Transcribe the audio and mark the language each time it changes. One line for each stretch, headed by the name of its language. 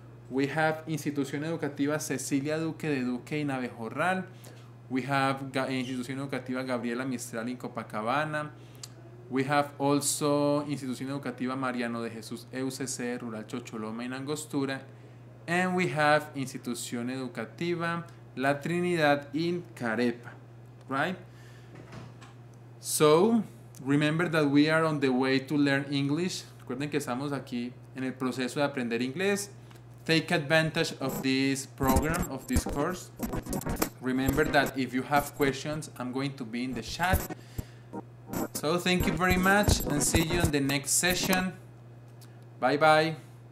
English: we have Institución Educativa Cecilia Duque de Duque en Abejorral, we have Institución Educativa Gabriela Mistral en Copacabana, we have also Institución Educativa Mariano de Jesús EUCC Rural Chocholoma en Angostura, and we have Institución Educativa La Trinidad in Carepa, right? So, remember that we are on the way to learn English.
Spanish: Recuerden que estamos aquí en el proceso de aprender inglés.
English: Take advantage of this program, of this course. Remember that if you have questions, I'm going to be in the chat. So, thank you very much and see you in the next session. Bye-bye.